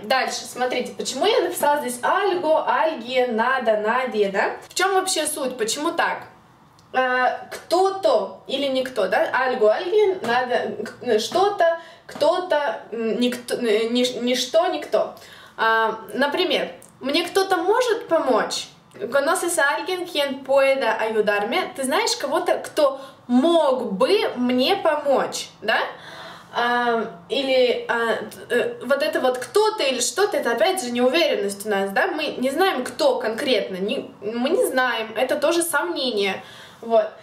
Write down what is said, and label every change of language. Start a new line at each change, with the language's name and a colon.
Russian: Дальше, смотрите, почему я написала здесь
Spanish: «algo», «alguien»,
Russian: «надо»,
Spanish: «nadie»,
Russian: да? В чем вообще суть, почему так? Кто-то или никто, да?
Spanish: «Algo», «alguien»,
Russian: «надо», «что-то», «кто-то», «никто», «ничто», «никто». Например, «мне кто-то может помочь?»
Spanish: «Conoces a alguien quien pueda ayudarme?»
Russian: Ты знаешь кого-то, кто мог бы мне помочь, да? Вот это вот кто-то или что-то, это опять же неуверенность у нас, да? Мы не знаем, кто конкретно, мы не знаем, это тоже сомнение. Вот.